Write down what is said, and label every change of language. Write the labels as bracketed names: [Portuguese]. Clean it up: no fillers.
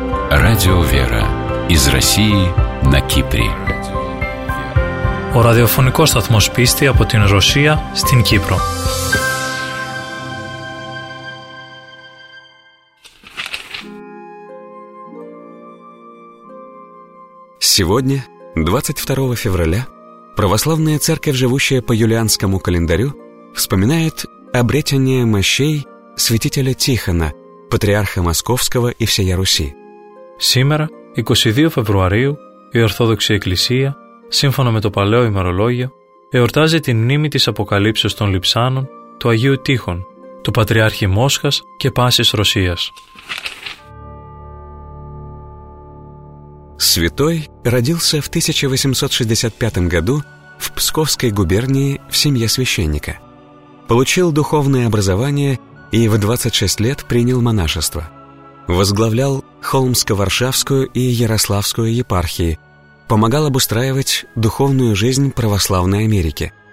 [Russian] Радио «Вера» из России на Кипре. [Greek] Ο ραδιοφωνικός σταθμός πίστη από την Ρωσία στην Κύπρο. [Russian] Сегодня, 22 февраля, православная церковь, живущая по юлианскому календарю, вспоминает обретение мощей святителя Тихона, патриарха Московского и всея Руси. [Greek] Сегодня, 22 февраля, и Ортодоксия Экклесия, σύμφωνα με το παλαιό ημερολόγιο, εορτάζει την μνήμη της Αποκαλύψεως των Λειψάνων του Αγίου Τείχων, του Πατριάρχη Μόσχας και Πάσης Ρωσίας. [Russian] Святой родился в 1865 году в Псковской губернии в семье священника. Получил духовное образование и в 26 лет принял монашество. Возглавлял Холмско-Варшавскую и Ярославскую епархии, помогал обустраивать духовную жизнь православной Америки.